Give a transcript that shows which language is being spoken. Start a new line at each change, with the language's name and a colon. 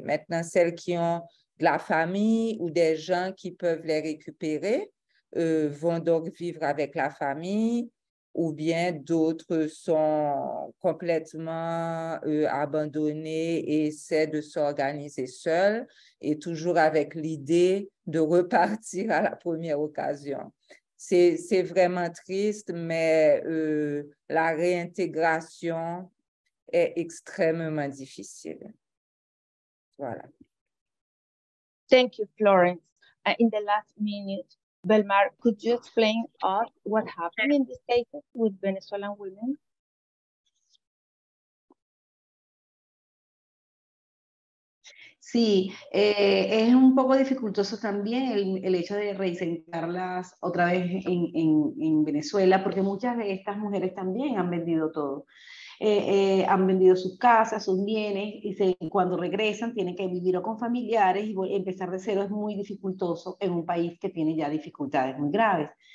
French: Maintenant, celles qui ont de la famille ou des gens qui peuvent les récupérer vont donc vivre avec la famille ou bien d'autres sont complètement abandonnés et essaient de s'organiser seuls et toujours avec l'idée de repartir à la première occasion. C'est vraiment triste, mais la réintégration est extrêmement difficile. Voilà.
English: Thank you, Florence. In the last minute, Belmar, could you explain us what happened in this case with Venezuelan women?
Spanish: Sí, es un poco dificultoso también el hecho de reinsertarlas otra vez en Venezuela, porque muchas de estas mujeres también han vendido todo. Han vendido sus casas, sus bienes, y cuando regresan tienen que vivir con familiares y empezar de cero es muy dificultoso en un país que tiene ya dificultades muy graves.